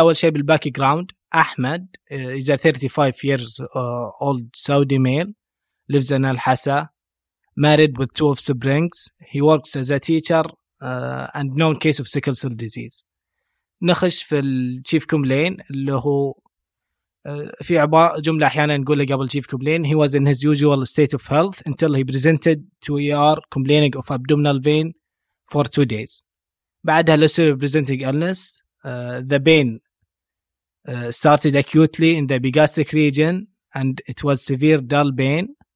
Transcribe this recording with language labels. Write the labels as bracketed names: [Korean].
[Arabic] اول شيء [English] بالباك جراوند، Ahmed is 35 years old Saudi male lives in Al Hasa. Married with 2 of siblings. He works as a teacher and known case of sickle cell disease. [Arabic] نخش في الشيف كوملين اللي هو في عبارة جملة أحيانا نقولها قبل الشيف كوملين. [English] He was in his usual state of health until he presented to ER complaining of abdominal pain for 2 days. [Arabic] بعدها لسه presenting illness. [English] The pain started acutely in the epigastric region and it was severe dull pain.